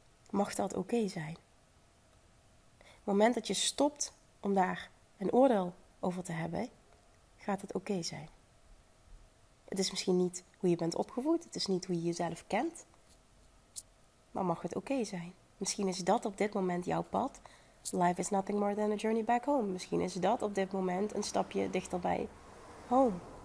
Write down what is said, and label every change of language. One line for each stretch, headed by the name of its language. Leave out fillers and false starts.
Dutch: Mag dat oké zijn? Op het moment dat je stopt om daar een oordeel over te hebben, gaat het oké zijn. Het is misschien niet hoe je bent opgevoed. Het is niet hoe je jezelf kent. Maar mag het oké zijn? Misschien is dat op dit moment jouw pad.
English: Life is nothing more than a journey back home.
Dutch: Misschien is dat op dit moment een stapje dichterbij home.